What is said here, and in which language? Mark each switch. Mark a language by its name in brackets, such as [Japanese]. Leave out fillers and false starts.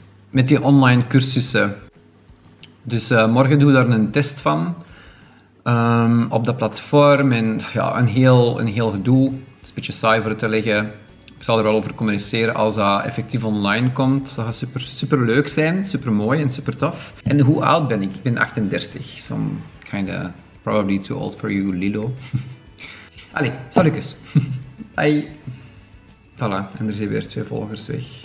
[Dutch] Met die online cursussen. Dus morgen doen we daar een test van. Op dat platform. En ja, een heel gedoe. Het is een beetje saai voor het te leggen. Ik zal er wel over communiceren als dat effectief online komt. Dat gaat super, super leuk zijn. Super mooi en super tof. En hoe oud ben ik? Ik ben 38. [English] So I'm kind of probably too old for you, Lilo. [Dutch] Allee, salukes. Bye. Voilà, en er zijn weer twee volgers weg.